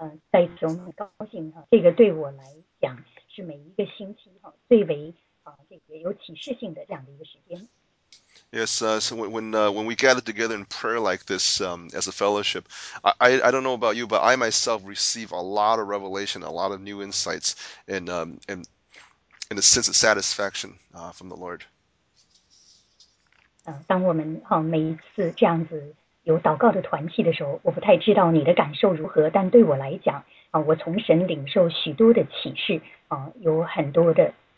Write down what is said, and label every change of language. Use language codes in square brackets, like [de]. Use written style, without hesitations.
[zh] 在此，我们很高兴哈，这个对我来讲是每一个星期哈最为这个有启示性的这样的一个时间。 [en] Yes, so when we gather together in prayer like this, as a fellowship, I don't know about you, but I myself receive a lot of revelation, a lot of new insights, and a sense of satisfaction, from the Lord. [zh] 当我们每一次这样子有祷告的团契的时候，我不太知道你的感受如何，但对我来讲，我从神领受许多的启示，有很多的。